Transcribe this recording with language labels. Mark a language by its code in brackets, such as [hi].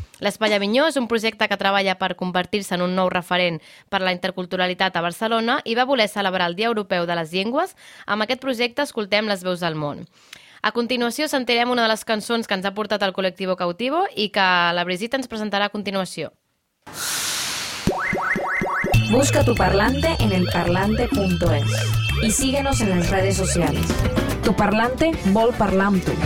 [ca] L'Espai Avinyó és un projecte que treballa per convertir-se en un nou referent per la interculturalitat a Barcelona i va voler celebrar el Dia Europeu de les Llengües. Amb aquest projecte Escoltem les veus del món. A continuació sentirem una de les cançons que ens ha portat el Colectivo Cautivo i que la Brigitte ens presentarà a continuació. [es] Busca Tu Parlante en elparlante.es y síguenos en las redes sociales. [ca] Tu Parlante vol parlar amb tu.